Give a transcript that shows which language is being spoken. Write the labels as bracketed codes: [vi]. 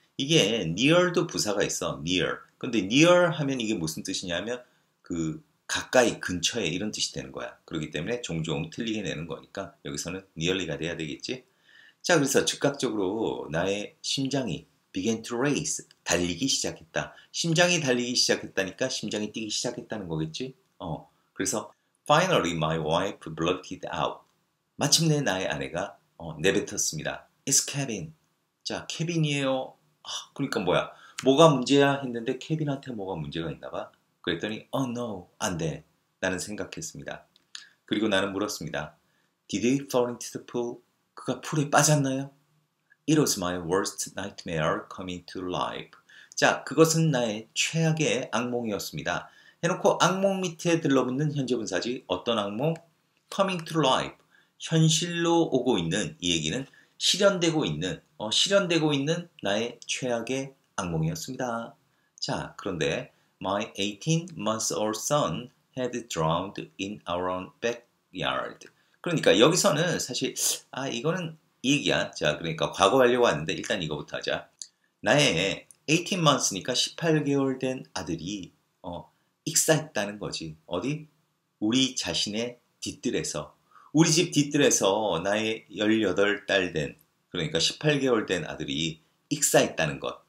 [ko] 이게 near도 부사가 있어, near. 근데 near 하면 이게 무슨 뜻이냐면 그 가까이, 근처에 이런 뜻이 되는 거야. 그렇기 때문에 종종 틀리게 내는 거니까 여기서는 nearly가 돼야 되겠지. 자, 그래서 즉각적으로 나의 심장이 [en] began to race, [ko] 달리기 시작했다. 심장이 달리기 시작했다니까 심장이 뛰기 시작했다는 거겠지. 그래서 [en] finally my wife blurted out. [ko] 마침내 나의 아내가 내뱉었습니다. [en] It's Kevin. [ko] 자, 케빈이에요. 아, 그러니까 뭐야? 뭐가 문제야 했는데 케빈한테 뭐가 문제가 있나 봐. 그랬더니 [en] oh no, [ko] 안 돼. 나는 생각했습니다. 그리고 나는 물었습니다. [en] Did he fall into the pool? [ko] 그가 풀에 빠졌나요? [en] It was my worst nightmare coming to life. [ko] 자, 그것은 나의 최악의 악몽이었습니다. 해놓고 악몽 밑에 들러붙는 현재분사지. 어떤 악몽? [en] Coming to life. [ko] 현실로 오고 있는 이 얘기는 실현되고 있는 실현되고 있는 나의 최악의 악몽이었습니다. 자, 그런데 [en] My 18-month-old son had drowned in our own backyard. [ko] 그러니까 여기서는 사실 아 이거는 이 얘기야. 자, 그러니까 과거 완료가 왔는데 일단 이거부터 하자. 나의 18-month니까 18개월 된 아들이 익사했다는 거지. 어디? 우리 자신의 뒤뜰에서 우리 집 뒤뜰에서 나의 18달 된 그러니까 18개월 된 아들이 익사했다는 것.